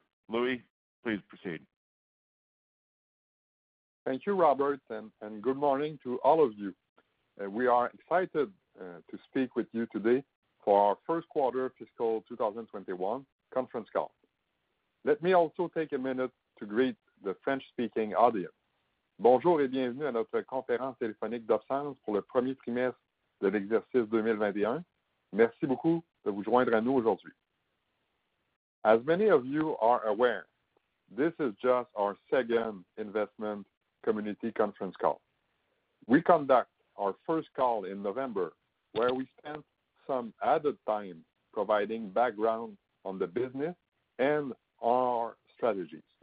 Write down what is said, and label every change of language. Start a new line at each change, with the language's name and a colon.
English: Louis, please proceed. Thank you, Robert, and good morning to all of you. We are excited to speak with you today for our first quarter fiscal 2021 conference call. Let me also take a minute to greet the French-speaking audience.
French: Bonjour et bienvenue à notre conférence téléphonique d'Opsens pour le premier trimestre de l'exercice 2021. Merci beaucoup de vous joindre à nous aujourd'hui.
English: As many of you are aware, this is just our second investment community conference call. We conduct our first call in November, where we spent some added time providing background on the business and our strategies.